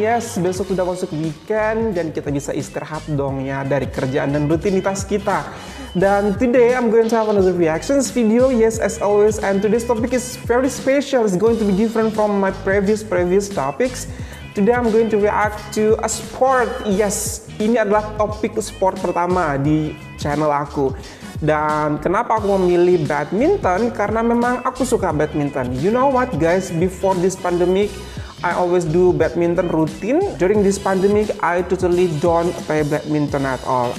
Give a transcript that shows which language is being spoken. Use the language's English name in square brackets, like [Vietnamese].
[Indonesian] Yes, besok sudah masuk weekend dan kita bisa istirahat dong ya dari kerjaan dan rutinitas kita. Dan [English] today I'm going to have another reactions video, yes as always, and today's topic is very special. It's going to be different from my previous topics. Today I'm going to react to a sport. [Indonesian] Yes, ini adalah topik sport pertama di channel aku. Dan kenapa aku memilih badminton? Karena memang aku suka badminton. [English] You know what guys, before this pandemic I always do badminton routine. During this pandemic I totally don't play badminton at all.